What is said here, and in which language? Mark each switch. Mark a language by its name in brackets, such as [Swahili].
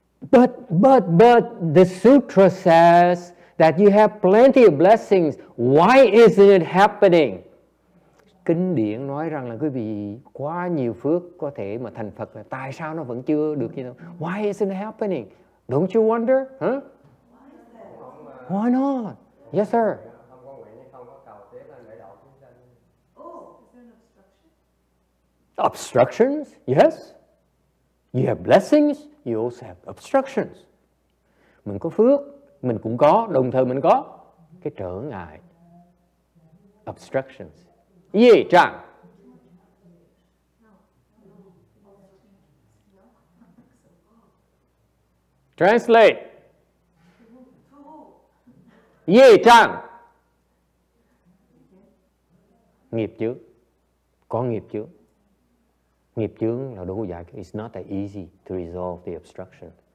[English] But the sutra says that you have plenty of blessings. Why isn't it happening? [Vietnamese] Kinh điển nói rằng là quý vị quá nhiều phước có thể mà thành Phật. Tại sao nó vẫn chưa được như thế? [English] Why isn't it happening? Don't you wonder? Huh? Why not? Yes, sir. Obstructions? Yes. You have blessings, you also have obstructions. [Vietnamese] Mình có phước, mình cũng có, đồng thời mình có cái trở ngại. [English] obstructions. Ye zhang. Translate. [Chinese] Ye zhang. [Vietnamese] Nghiệp chướng. Có nghiệp chướng. Nghiệp chướng là đủ giải quyết. [English] It's not that easy to resolve the obstruction.